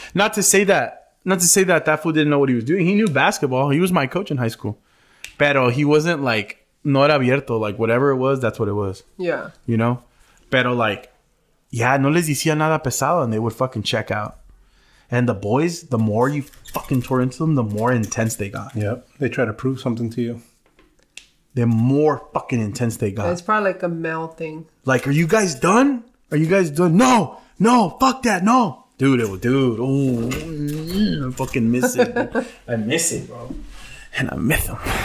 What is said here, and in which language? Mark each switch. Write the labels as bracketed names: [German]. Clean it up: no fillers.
[English] Not to say that fool didn't know what he was doing. He knew basketball. He was my coach in high school. Pero he wasn't like, [Spanish] no era abierto. [English] Like, whatever it was, that's what it was. Yeah. You know? [Spanish] Pero [English] like, yeah, [Spanish] no les decía nada pesado. [English] And they would fucking check out. And the boys, the more you fucking tore into them, the more intense they got. Yep. They try to prove something to you. The more fucking intense they got. It's probably like a male thing. Like, are you guys done? Are you guys done? No. No. Fuck that. No. Dude, oh, I fucking miss it. I miss it, bro. And I miss them.